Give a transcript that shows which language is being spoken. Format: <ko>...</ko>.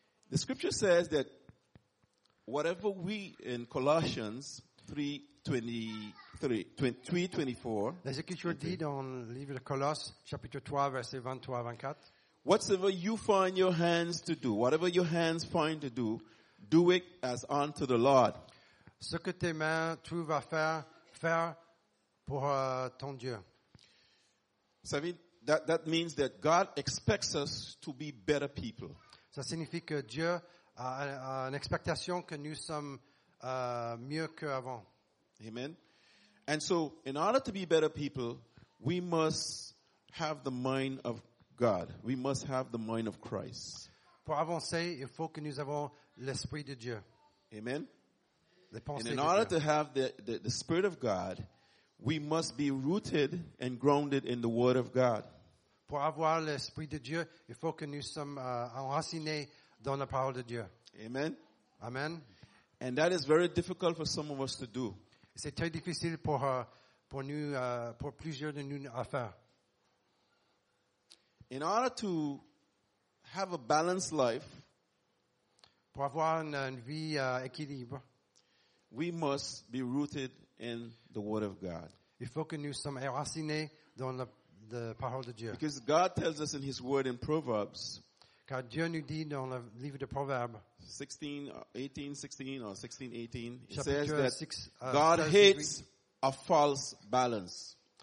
<en>The scripture says that whatever we in Colossians 3:24.</en> <fr>Les Écritures disent dans le livre de Colosses, chapitre 3, verset 23 à 24.</fr> <en>Whatever you find your hands to do, whatever your hands find to do, do it as unto the Lord.</en> <fr>Ce que tes mains trouvent à faire, faire pour ton Dieu. Ça veut dire</fr> <en>that means that God expects us to be better people.</en> <fr>Ça signifie que Dieu a une expectation que nous sommes mieux qu'avant. Amen.</fr> <en>And so, in order to be better people, we must have the mind of God. We must have the mind of Christ.</en> <fr>Pour avancer, il faut que nous avons l'esprit de Dieu. Amen. Les pensées</fr> <en>and in order</en> <fr>de Dieu.</fr> <en>To have the spirit of God, we must be rooted and grounded in the word of God.</en> <fr>Pour avoir l'esprit de Dieu, il faut que nous sommes enracinés dans la parole de Dieu. Amen. Amen.</fr> <en>And that is very difficult for some of us to do.</en> <fr>C'est très difficile pour plusieurs de nous à faire.</fr> <en>In order to have a balanced life,</en> <fr>pour avoir une vie équilibrée,</fr> <en>we must be rooted in the word of God.</en> <fr>Il faut que nous sommes enracinés dans la parole de Dieu.</fr> <en>Because God tells us in his word in Proverbs,</en> <fr>car Dieu nous dit dans le livre de Proverbes</fr> <en>16:18, it says that God hates a false balance.</en>